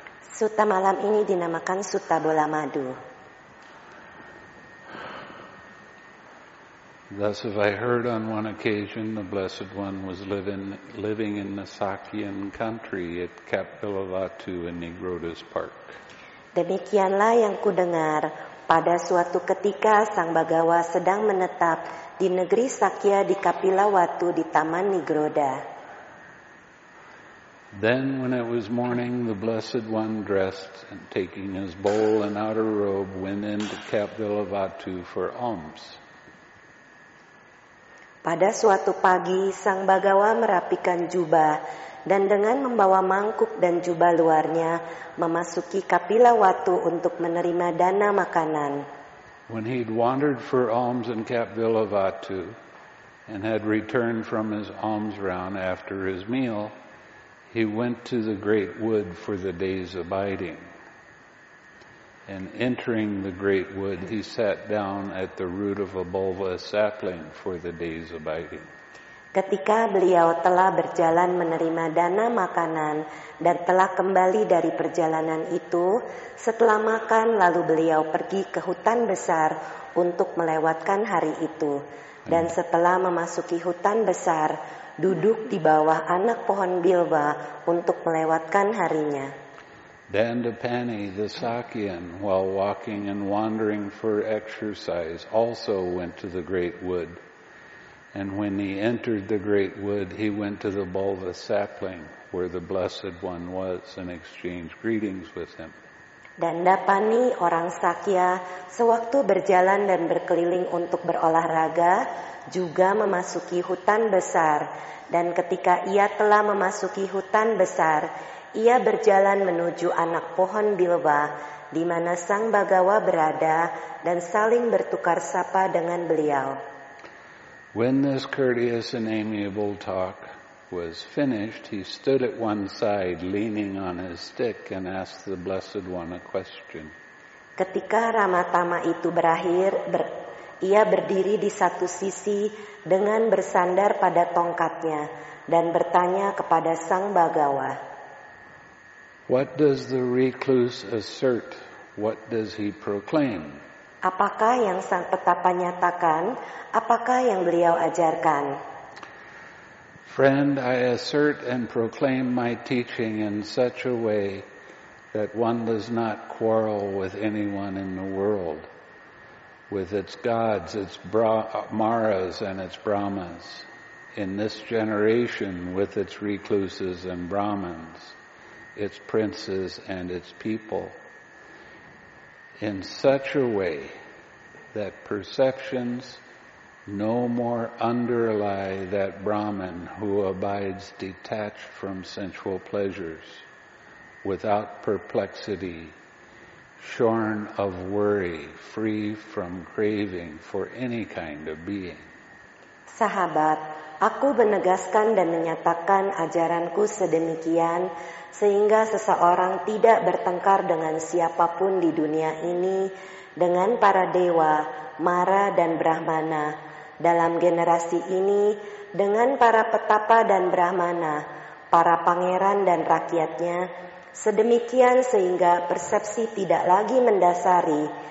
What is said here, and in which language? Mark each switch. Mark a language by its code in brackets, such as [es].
[id] Sutta malam ini dinamakan Sutta Bola Madhu. [en] Thus, if I heard on one occasion the Blessed One was living in the Sakyan country at Kapilavatthu in Nigrodha's Park. [id] Demikianlah yang kudengar pada suatu ketika Sang Bhagawa sedang menetap di negeri Sakya di Kapilavatthu di Taman Nigrodha. [en] Then when it was morning, the Blessed One dressed and taking his bowl and outer robe went into Kapilavatthu for alms. [id] Pada suatu pagi, Sang Bhagawa merapikan jubah dan dengan membawa mangkuk dan jubah luarnya memasuki Kapilavatthu untuk menerima dana makanan. [en] When he'd wandered for alms in Kapilavatthu and had returned from his alms round after his meal, he went to the great wood for the day's abiding. And entering the great wood, he sat down at the root of a bulbous sapling for the day's abiding. [id] Ketika beliau telah berjalan menerima dana makanan dan telah kembali dari perjalanan itu, setelah makan lalu beliau pergi ke hutan besar untuk melewatkan hari itu. Dan setelah memasuki hutan besar, duduk di bawah anak pohon bilwa untuk melewatkan harinya. [en] Dandapani, the Sakyan, while walking and wandering for exercise, also went to the great wood. And when he entered the great wood, he went to the bulbous sapling where the Blessed One was and exchanged greetings with him. [id] Dandapani, orang Sakya, sewaktu berjalan dan berkeliling untuk berolahraga, juga memasuki hutan besar. Dan ketika ia telah memasuki hutan besar, ia berjalan menuju anak pohon bilwa, di mana Sang Bhagawa berada dan saling bertukar sapa dengan beliau. [en] When this courteous and amiable talk was finished, he stood at one side, leaning on his stick, and asked the Blessed One a question. [id] Ketika ramatama itu berakhir, ia berdiri di satu sisi dengan bersandar pada tongkatnya dan bertanya kepada Sang Bhagawa. [en] What does the recluse assert? What does he proclaim? [id] Apakah yang sang petapa nyatakan? Apakah yang beliau ajarkan? [en] Friend, I assert and proclaim my teaching in such a way that one does not quarrel with anyone in the world, with its gods, its maras and its brahmas, in this generation with its recluses and brahmins, its princes and its people, in such a way that perceptions no more underlie that Brahman who abides detached from sensual pleasures, without perplexity, shorn of worry, free from craving for any kind of being. [id] Sahabat, aku menegaskan dan menyatakan ajaranku sedemikian sehingga seseorang tidak bertengkar dengan siapapun di dunia ini, dengan para dewa, mara dan brahmana, dalam generasi ini, dengan para petapa dan brahmana, para pangeran dan rakyatnya, sedemikian sehingga persepsi tidak lagi mendasari,